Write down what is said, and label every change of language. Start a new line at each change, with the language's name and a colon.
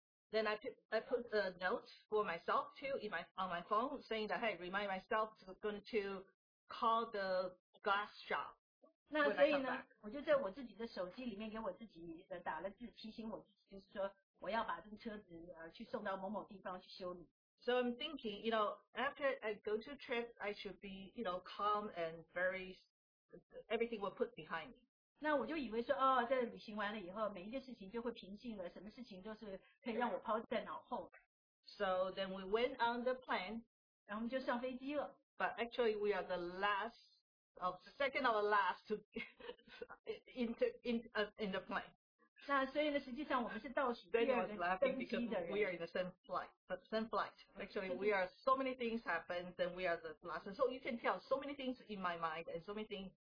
English: Then I put a note for myself too on my phone saying that hey remind myself to going to call the glass shop.
Chinese: 那所以呢，我就在我自己的手机里面给我自己打了字提醒我，就是说我要把这个车子去送到某某地方去修理。
English: So I'm thinking, you know, after I go to a trip, I should be, you know, calm and very everything were put behind me.
Chinese: 那我就以为说，哦，在旅行完了以后，每一件事情就会平静了，什么事情都是可以让我抛在脑后。
English: So then we went on the plane.
Chinese: 然后我们就上飞机了。
English: But actually, we are the last of second of the last to in the plane.
Chinese: 那所以呢，实际上我们是倒数第二个登机的人。
English: We are in the same flight, but same flight. Actually, we are so many things happened, then we are the last. So you can tell so many things in my mind and so many things.